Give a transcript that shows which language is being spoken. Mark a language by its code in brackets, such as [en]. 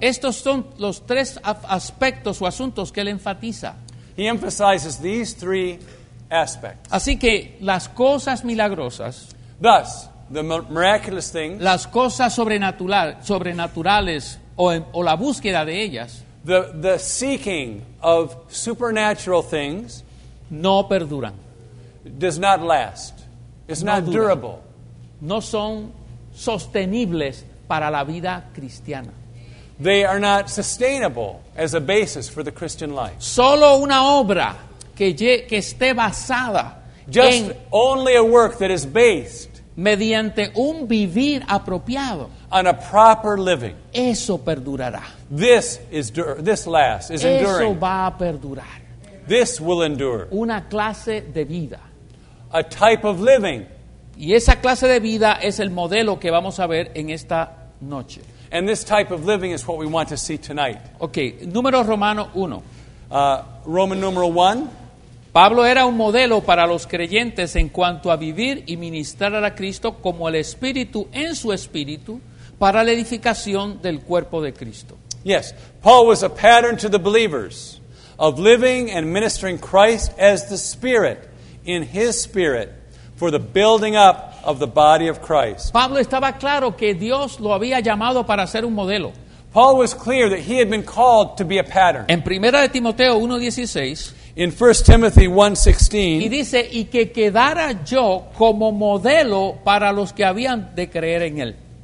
[es] Estos son los 3 aspectos o asuntos que él enfatiza. [en] He emphasizes these 3 aspects. [es] Así que las cosas milagrosas, [en] thus the miraculous things, [es] las cosas sobrenaturales o la búsqueda de ellas, [en] the seeking of supernatural things. [es] No perduran. [en] Does not last. It's not durable. [es] No son sostenibles para la vida cristiana. [en] They are not sustainable as a basis for the Christian life. [es] Solo una obra que esté basada [en] just en, only a work that is based [es] mediante un vivir apropiado [en] on a proper living. [es] Eso perdurará. [en] This lasts. Is [es] eso [en] enduring. [es] Eso va a perdurar. [en] This will endure. [es] Una clase de vida. [en] A type of living. [es] Y esa clase de vida es el modelo que vamos a ver en esta noche. [en] And this type of living is what we want to see tonight. [es] Okay, número romano 1. [en] Roman numeral 1. [es] Pablo era un modelo para los creyentes en cuanto a vivir y ministrar a Cristo como el Espíritu en su Espíritu para la edificación del cuerpo de Cristo. [en] Yes, Paul was a pattern to the believers. Of living and ministering Christ as the Spirit, in His Spirit, for the building up of the body of Christ. [es] Pablo estaba claro que Dios lo había llamado para ser un modelo. [en] Paul was clear that he had been called to be a pattern. [es] En Primera de Timoteo 1:16. [en] In 1 Timothy 1:16. [es] Y dice, y que quedara yo como modelo para los que habían de creer en él.